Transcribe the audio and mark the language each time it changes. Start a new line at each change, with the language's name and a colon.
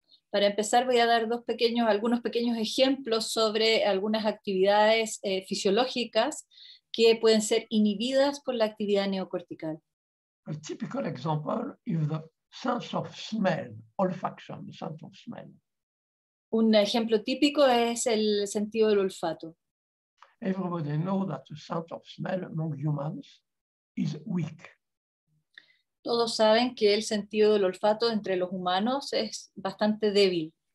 Spanish: Para empezar, voy a dar algunos pequeños ejemplos sobre algunas actividades fisiológicas que pueden ser inhibidas por la actividad neocortical.
English: A typical example is the sense of smell, olfaction, sense of smell.
Spanish: Un ejemplo típico es el sentido del olfato.
English: Everybody knows that the sense of smell among humans is weak.
Spanish: Todos saben que el sentido del olfato entre los humanos es bastante débil.